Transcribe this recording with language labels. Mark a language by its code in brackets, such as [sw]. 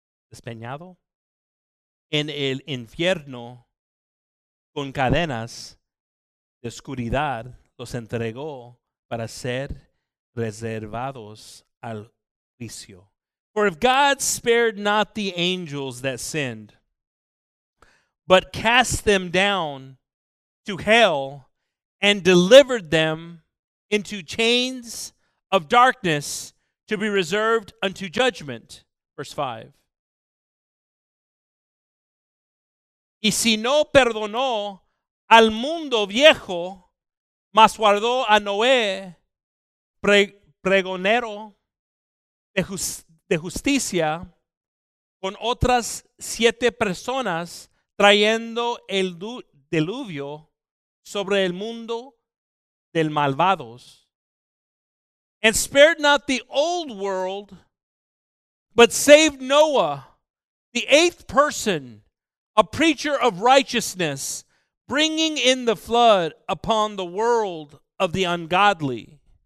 [es] despeñado en el infierno con cadenas de oscuridad, los entregó para ser reservados al juicio. [en] For if God spared not the angels that sinned, but cast them down to hell and delivered them into chains of darkness to be reserved unto judgment. Verse 5. [es] Y si no perdonó al mundo viejo, mas guardó a Noé, pregonero de justicia, con otras siete personas, trayendo el diluvio sobre el mundo del malvados. [en] And spared not the old world, but saved Noah, the eighth person, a preacher of righteousness, bringing in the flood upon the world of the ungodly.